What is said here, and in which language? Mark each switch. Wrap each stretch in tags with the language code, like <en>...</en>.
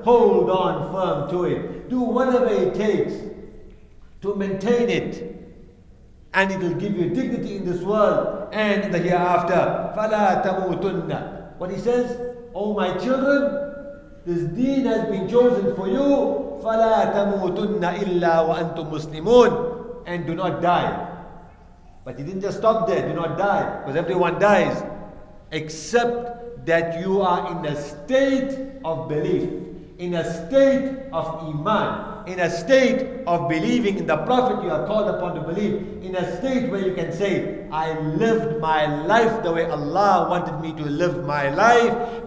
<en>Hold on firm to it. Do whatever it takes to maintain it. And it will give you dignity in this world and in the hereafter.</en> <ar>فَلَا تَمُوتُنَّ</ar> <en>What he says, Oh my children, this deen has been chosen for you.</en> <ar>فَلَا تَمُوتُنَّ إِلَّا وَأَنْتُمْ مُسْلِمُونَ</ar> <en>And do not die. But he didn't just stop there. Do not die. Because everyone dies. Except that you are in a state of belief. In a state of iman. In a state of believing in the Prophet you are called upon to believe. In a state where you can say, I lived my life the way Allah wanted me to live my life.</en>